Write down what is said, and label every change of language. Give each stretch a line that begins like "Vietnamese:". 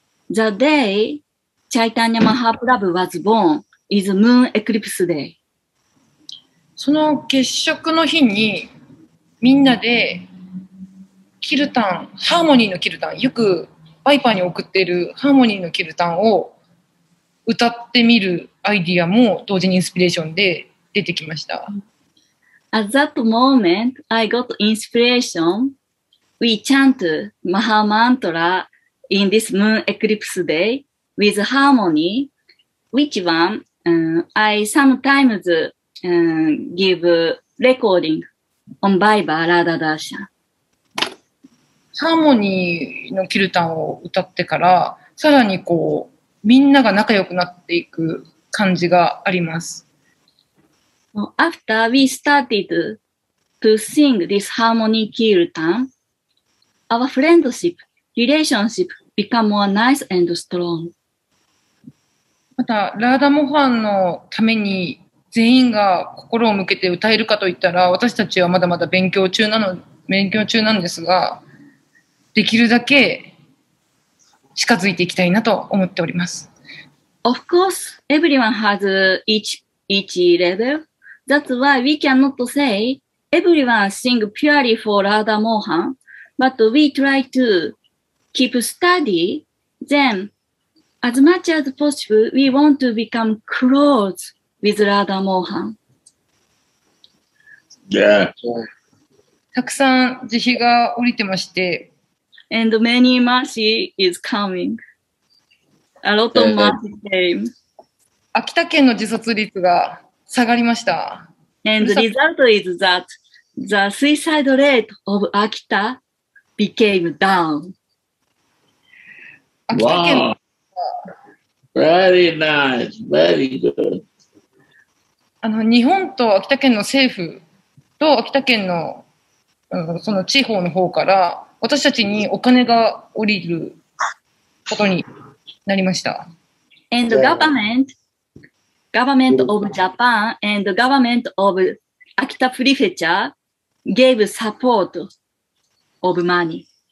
English: The day Chaitanya Mahaprabhu was born is Moon Eclipse Day.
Japanese: その月食の日にみんなでキルタン、ハーモニーのキルタン、よくバイパーに送っているハーモニーのキルタンを歌ってみるアイディアも同時にインスピレーションで出てきました。
English: At that moment, I got inspiration. We chant Maha Mantra in this Moon Eclipse Day with harmony, which one, I sometimes, give recording on Baiba Radha Darshan.
Japanese: ハーモニーのキルタンを歌ってから、さらにこう、みんなが仲良くなっていく感じがあります。
English: After we started to sing this harmony kirtan, our friendship, relationship become more nice and strong.
Japanese: また、ラーダモハンのために全員が心を向けて歌えるかといったら、私たちはまだまだ勉強中なんですが、できるだけ近づいていきたいなと思っております。
English: Of course, everyone has each level. That's why we cannot say everyone sing purely for Radha Mohan, but we try to keep steady. Then, as much as possible, we want to become close with Radha Mohan. Yeah.
Japanese: たくさん慈悲が降りてまして、
English: And many mercy is coming. A lot of mercy came.
Japanese: 秋田県の自殺率が下がりました。
English: And the result is that the suicide rate of Akita became down.
Japanese: 秋田県
English: wow. Very nice. Very good.
Japanese: 日本と秋田県の政府と秋田県の、その地方の方から私たちにお金が降りることになりました。
English: And government of Japan and government of Akita Prefecture gave support of money.